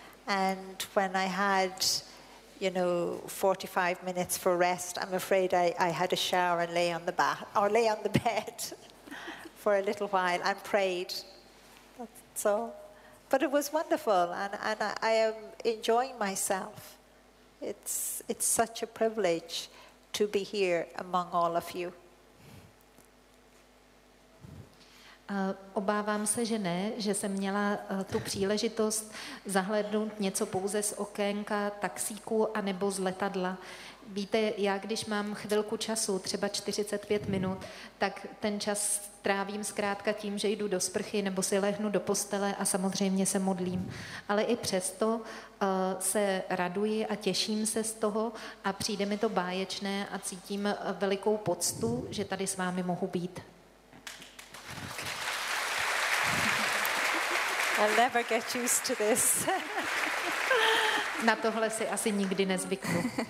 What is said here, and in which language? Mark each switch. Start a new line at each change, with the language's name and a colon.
English: And when I had, you know, 45 minutes for rest, I'm afraid I had a shower and lay on the bed for a little while and prayed. That's all. But it was wonderful, and I am enjoying myself. It's such a privilege to be here among all of you.
Czech: Obávám se, že ne, že jsem měla tu příležitost zahlédnout něco pouze z okénka, taxíku a nebo z letadla. Víte, já když mám chvilku času, třeba 45 minut, tak ten čas trávím zkrátka tím, že jdu do sprchy nebo si lehnu do postele a samozřejmě se modlím. Ale i přesto se raduji a těším se z toho a přijde mi to báječné a cítím velikou poctu, že tady s vámi mohu být.
English: I'll never get used to this.
Czech: Na tohle si asi nikdy nezvyknu.